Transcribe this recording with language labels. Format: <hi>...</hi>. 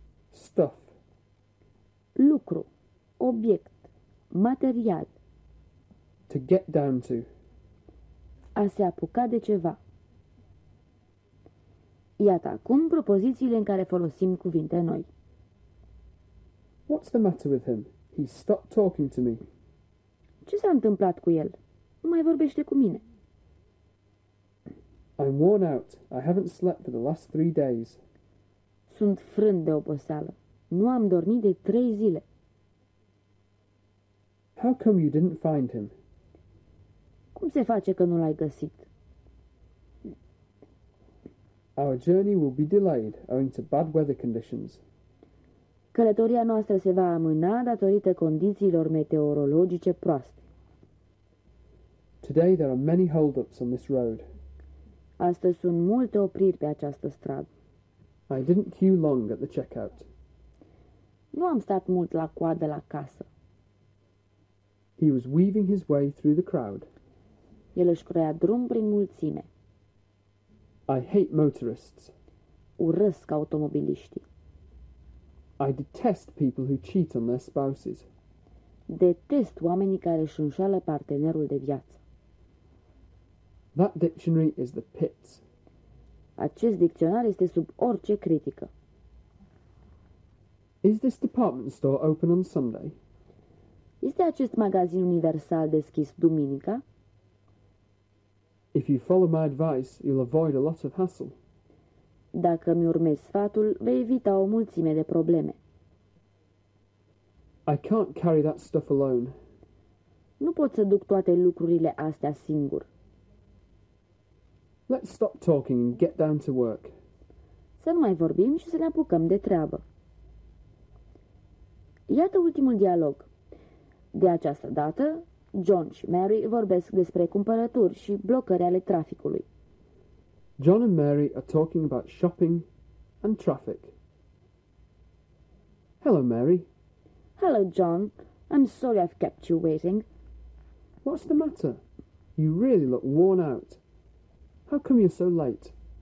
<en>Stuff.</en> <ro>Lucru, obiect, material.</ro> <en>To get down to.</en> <ro>A se apuca de ceva. Iată acum propozițiile în care folosim cuvinte noi.</ro> <en>What's the matter with him? He stopped talking to me.</en> <ro>Ce s-a întâmplat cu el? Nu mai vorbește cu mine.</ro> <en>I'm worn out. I haven't slept for the last 3 days.</en> <ro>Sunt frânt de oboseală. Nu am dormit de 3 zile.</ro> <en>How come you didn't find him?</en> <ro>Cum se face că nu l-ai găsit?</ro> <en>Our journey will be delayed owing to bad weather conditions.</en> <ro>Călătoria noastră se va amâna datorită condițiilor meteorologice proaste.</ro> <en>Today there are many hold-ups on this road.</en> <ro>Astăzi sunt multe opriri pe această stradă.</ro> <en>I didn't queue long at the checkout.</en> <ro>Nu am stat mult la coadă la casă.</ro> <en>He was weaving his way through the crowd.</en> <ro>El își croia drum prin mulțime.</ro> <en>I hate motorists.</en> <ro>Urăsc automobiliștii.</ro> <en>I detest people who cheat on their spouses.</en> <ro>Detest oamenii care își înșală partenerul de viață.</ro> <en>That dictionary is the pits.</en> <ro>Acest dicționar este sub orice critică.</ro> <en>Is this department store open on Sunday?</en> <ro>Este acest magazin universal deschis duminica?</ro> <en>If you follow my advice, you'll avoid a lot of hassle.</en> <ro>Dacă mi urmezi sfatul, vei evita o mulțime de probleme.</ro> <en>I can't carry that stuff alone.</en> <ro>Nu pot să duc toate lucrurile astea singur.</ro> <en>Let's stop talking and get down to work.</en> <ro>Să nu mai vorbim și să ne apucăm de treabă. Iată ultimul dialog. De această dată, John și Mary vorbesc despre cumpărături și blocări ale traficului.</ro> <en>John and Mary are talking about shopping and traffic. Hello, Mary. Hello, John. I'm sorry I've kept you waiting. What's the matter? You really look worn out. How come you're so late?</en>